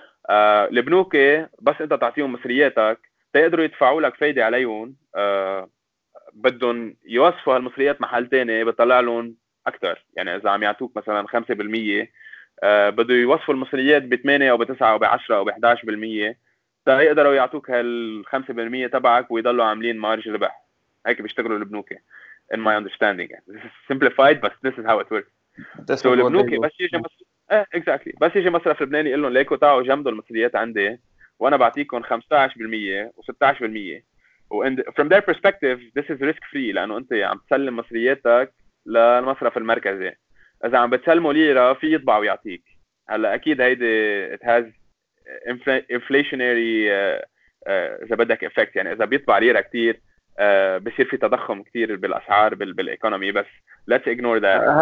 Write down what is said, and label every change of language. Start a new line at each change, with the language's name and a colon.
Arabic: البنوك بس أنت تعطيهم مصرياتك تقدروا يدفعوا لك فايدة عليهم، بدهم يوصفوا هالمصريات محل تاني بطلع لهم أكتر. يعني إذا عم يعطوك مثلا 5% بدو يوصفوا المصريات بثمانية أو بتسعة أو بعشرة أو بحداش بالمية تقدروا يعطوك هالخمسة بالمية تبعك ويضلوا عاملين مارج ربح. هيك بيشتغلوا البنوكي
English: in my understanding. This is simplified but this is how it works. So
Arabic: البنوكي بس يجي
English: exactly.
Arabic: بس يجي مصرف لبناني يقول لهم ليكو تعوا جمدوا المصريات عندي وأنا بعطيكم 15% و16%، و
English: and from their perspective this is risk free
Arabic: لأنه أنت عم تسلم مصرياتك للمصرف المركزي. إذا عم بتسلمه ليرة في يطبع ويعطيك. هلا أكيد هيدا
English: it has inflationary
Arabic: إذا بدك
English: effect،
Arabic: يعني إذا بيطبع ليرة كتير بصير في تضخم كتير بالأسعار بالإيكونومي، بس
English: let's ignore that.